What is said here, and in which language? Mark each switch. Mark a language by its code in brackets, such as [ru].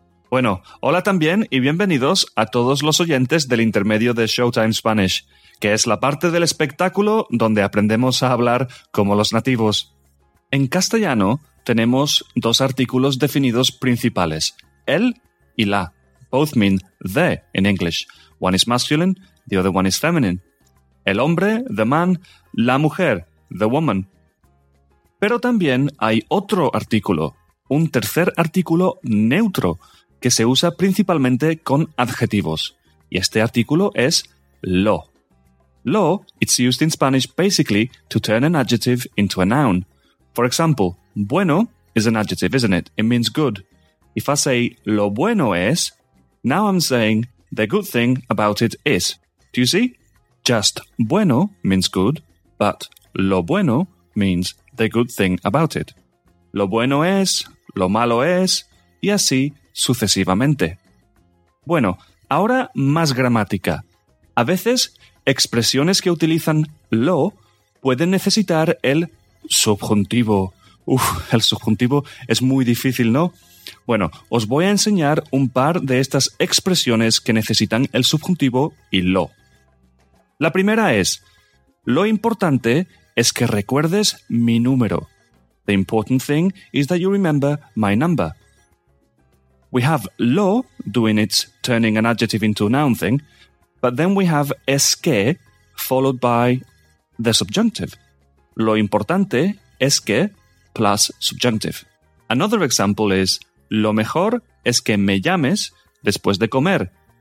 [es] Bueno, hola también y bienvenidos a todos los oyentes del intermedio de Showtime Spanish, que es la parte del espectáculo donde aprendemos a hablar como los nativos. En castellano tenemos dos artículos definidos principales, el y la. [en] Both mean the in English. One is masculine, the other one is feminine. [es] El hombre, [en] the man, [es] la mujer, [en] the woman. [es] Pero también hay otro artículo, un tercer artículo neutro que se usa principalmente con adjetivos. Y este artículo es lo. [en] Lo, it's used in Spanish basically to turn an adjective into a noun. For example, bueno is an adjective, isn't it? It means good. If I say [es] lo bueno es, [en] now I'm saying the good thing about it is. Do you see? Just bueno means good, but lo bueno means the good thing about it. [es] Lo bueno es, lo malo es, y así sucesivamente. Bueno, ahora más gramática. A veces, expresiones que utilizan lo pueden necesitar el subjuntivo. Uf, el subjuntivo es muy difícil, ¿no? Bueno, os voy a enseñar un par de estas expresiones que necesitan el subjuntivo y lo. La primera es, lo importante es que recuerdes mi número. [en] The important thing is that you remember my number. We have lo doing its turning an adjective into a noun thing, but then we have es que followed by the subjunctive. [es] Lo importante es que [en] plus subjunctive. Another example is [es] lo mejor es que me llames después de comer.